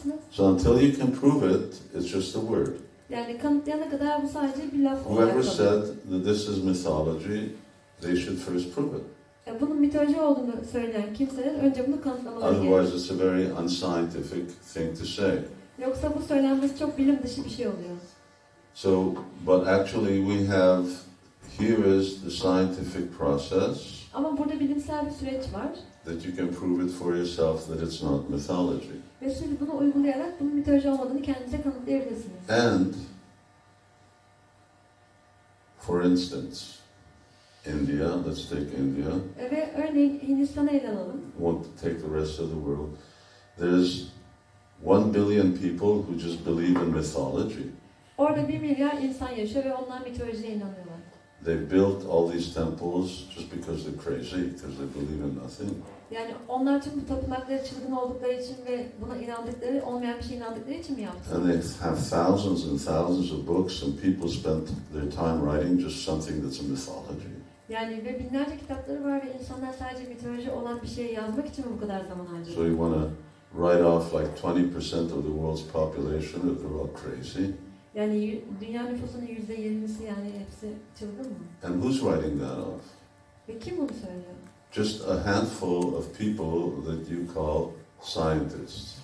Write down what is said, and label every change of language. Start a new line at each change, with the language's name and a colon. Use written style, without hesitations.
English: So until you can prove it, it's just a word.
Turkish: Yani kanıtlayana kadar bu sadece bir laf.
English: Whoever said that this is mythology, they should first prove it.
Turkish: Bunun mitoloji olduğunu söyleyen kimseler önce bunu kanıtlamalı.
English: Otherwise, it's a very unscientific thing to say.
Turkish: Yoksa bu söylenmesi çok bilim dışı bir şey oluyor.
English: So, but actually we have, here is the scientific process.
Turkish: Ama burada bilimsel bir süreç var.
English: That you can prove it for yourself that it's not mythology.
Turkish: Ve siz bunu uygulayarak bunun mitoloji olmadığını kendinize kanıtlayabilirsiniz.
English: And, for instance, India, let's take India.
Turkish: Ve örneğin Hindistan'a ele alalım.
English: Won't take the rest of the world. There's 1 billion people who just believe in mythology.
Turkish: Orada 1 milyar insan yaşıyor ve onlar mitolojiye inanıyorlar.
English: They built all these temples just because they're crazy, because they believe in nothing.
Turkish: Yani onlar tüm bu tapınakları çılgın oldukları için ve buna inandıkları, olmayan bir şey inandıkları için mi yaptılar?
English: And they have thousands and thousands of books and people spent their time writing just something that's a mythology.
Turkish: Yani ve binlerce kitapları var ve insanlar sadece mitoloji olan bir şeyi yazmak için mi bu kadar zaman harcıyor?
English: So you want to write off like 20% of the world's population if they're all crazy?
Turkish: Yani dünya nüfusunun %20'si yani hepsi çılgın mı?
English: And who's writing that off?
Turkish: Ve kim bunu söylüyor?
English: Just a handful of people that you call scientists.